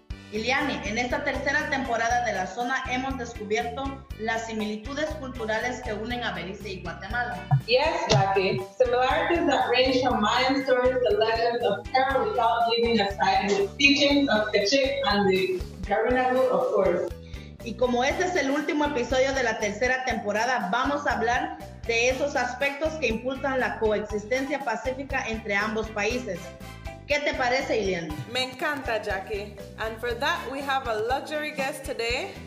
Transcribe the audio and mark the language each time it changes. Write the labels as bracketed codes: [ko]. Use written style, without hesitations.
[es] Iliani, en esta tercera temporada de La Zona hemos descubierto las similitudes culturales que unen a Belice y Guatemala. [en] Yes, Jackie. Similarities that range from Mayan stories to legends of terror without leaving aside the teachings of Kachik and the Garinagu, of course. [es] Y como este es el último episodio de la tercera temporada, vamos a hablar de esos aspectos que impulsan la coexistencia pacífica entre ambos países. ¿Qué te parece, Iliana? Me encanta, Jackie. [en] And for that, we have a luxury guest today.